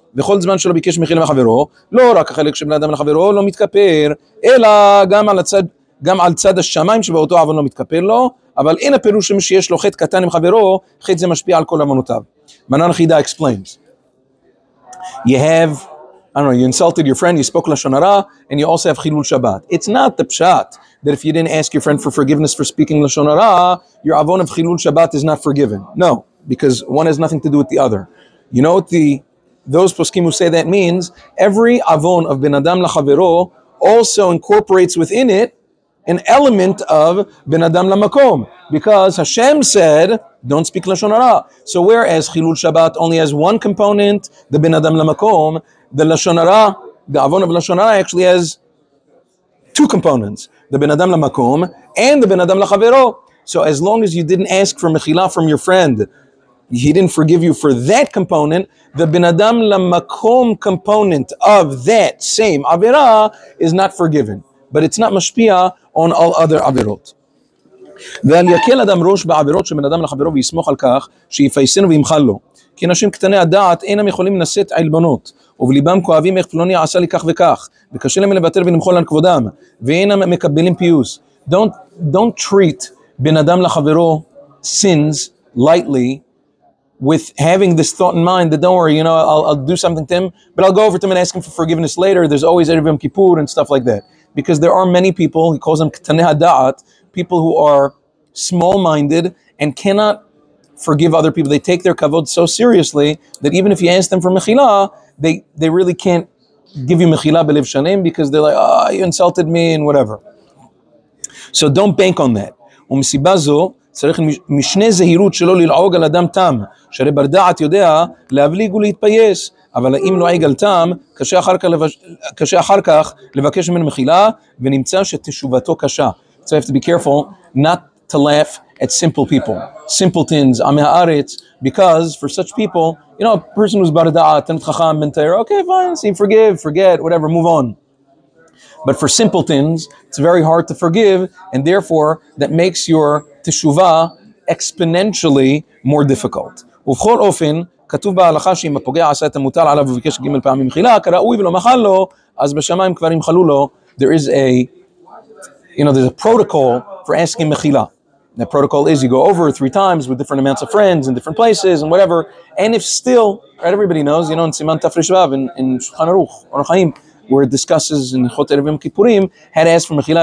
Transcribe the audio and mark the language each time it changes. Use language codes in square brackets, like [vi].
[he] וכל זמן שלא ביקש מחילה מחברו, לא רק החלק שבן אדם לחברו לא מתכפר, אלא גם על הצד, גם על צד השמיים שבאותו עוון לא מתכפר לו, אבל אין הפירוש שיש לו חטא קטן עם חברו, חטא זה משפיע על כל עוונותיו. [en] מנן חידה explains. You have, I don't know, you insulted your friend, you spoke לשון הרע, and you also have חילול שבת. It's not the פשט that if you didn't ask your friend for forgiveness for speaking לשון הרע, your עוון of חילול שבת is not forgiven. No, because one has nothing to do with the other. You know what the those poskim who say that means, every avon of ben adam lachavero also incorporates within it an element of ben adam lamakom, because Hashem said, don't speak lashon hara. So whereas chilul Shabbat only has one component, the ben adam lamakom, the lashon hara, the avon of lashon hara actually has two components, the ben adam lamakom and the ben adam lachavero. So as long as you didn't ask for mechila from your friend, he didn't forgive you for that component, the bin adam lamakom component of that same avera is not forgiven. But it's not mashpia on all other averot. [he] ועל יקל אדם ראש בעברות שבן אדם לחברו ויסמוך על כך שיפייסן וימחל לו. כי אנשים קטני הדעת אינם יכולים לנסות עלבונות, ובליבם כואבים איך פלוני עשה לי כך וכך, וקשה להם לבטל ולמחול על כבודם, ואינם מקבלים פיוס. [en] Don't treat בן אדם לחברו sins lightly, with having this thought in mind that don't worry, you know, I'll do something to him, but I'll go over to him and ask him for forgiveness later. There's always Erev Yom Kippur and stuff like that. Because there are many people, he calls them ketanei hada'at, people who are small-minded and cannot forgive other people. They take their kavod so seriously that even if you ask them for mechila, they really can't give you mechila b'lev shanim, because they're like, oh, you insulted me and whatever. So don't bank on that. [he] ומסיבה זו, צריך משנה זהירות שלא ללעוג על אדם תם, שהרי בר דעת יודע להבליג ולהתפייס, אבל אם לועג על תם, קשה אחר כך לבקש ממנו מחילה, ונמצא שתשובתו קשה. [en] So you have to be careful not to laugh at simple people, simpletons, עמי הארץ, because for such people, you know, a person who's בר דעת, תנת חכם, מנטייר, okay, fine, see, forgive, forget, whatever, move on. But for simpletons, it's very hard to forgive, and therefore, that makes your teshuvah exponentially more difficult. [he] ובכל אופן, כתוב בהלכה שאם הפוגע עשה את המוטל עליו וביקש ג' פעמים חילה, כראוי ולא מחל לו, אז בשמיים כבר ימחלו לו. [en] There is a, you know, there's a protocol for asking מחילה. The protocol is you go over three times with different amounts of friends in different places and whatever, and if still, right, everybody knows, you know, in Siman Tafri Shvav, in Shulchan Aruch, Oron Chaim, where it discusses in Chot Erev Yom Kippurim, had to ask for mechila.